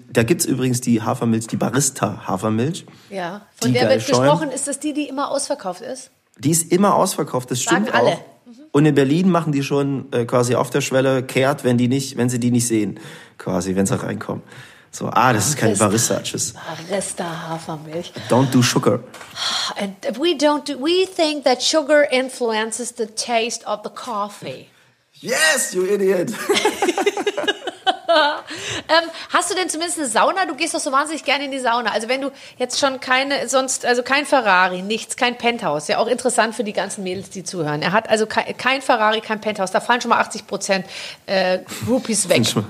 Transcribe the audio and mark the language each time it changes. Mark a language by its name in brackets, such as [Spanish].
[German] Da gibt's übrigens die Hafermilch, die Barista-Hafermilch. Ja, von der wird gesprochen, ist das die immer ausverkauft ist? Die ist immer ausverkauft, das stimmt auch. Sagen alle. Und in Berlin machen die schon quasi auf der Schwelle kehrt, wenn sie die nicht sehen, quasi, wenn sie reinkommen. So, das ist keine Barista. Tschüss. Barista Hafermilch. [English] Don't do sugar. And we think that sugar influences the taste of the coffee. Yes, you idiot. [German] Hast du denn zumindest eine Sauna? Du gehst doch so wahnsinnig gerne in die Sauna. Also wenn du jetzt schon kein Ferrari, nichts, kein Penthouse. Ja, auch interessant für die ganzen Mädels, die zuhören. Er hat also kein Ferrari, kein Penthouse. Da fallen schon mal 80% Rupees weg.